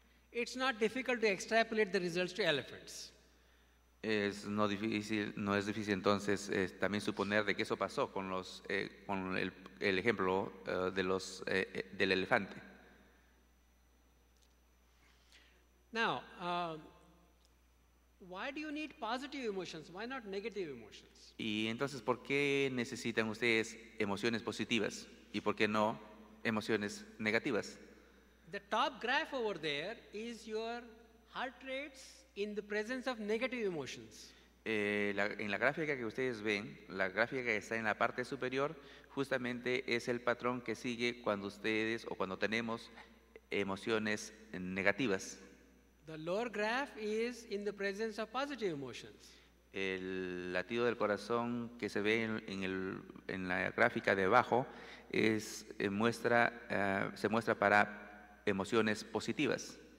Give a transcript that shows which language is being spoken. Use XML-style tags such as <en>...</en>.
<en>It's not difficult to extrapolate the results to elephants.</en> <es>No es difícil entonces también suponer de que eso pasó con los con el ejemplo de los del elefante.</es> <en>Now, why do you need positive emotions? Why not negative emotions?</en> <es>Y entonces, ¿por qué necesitan ustedes emociones positivas y por qué no emociones negativas?</es> <en>The top graph over there is your heart rates in the presence of negative emotions.</en> <es>En la gráfica que ustedes ven, la gráfica que está en la parte superior, justamente es el patrón que sigue cuando ustedes o cuando tenemos emociones negativas.</es> <en>The lower graph is in the presence of positive emotions.</en> <es>El latido del corazón que se ve en la gráfica de abajo se muestra para emociones positivas.</es>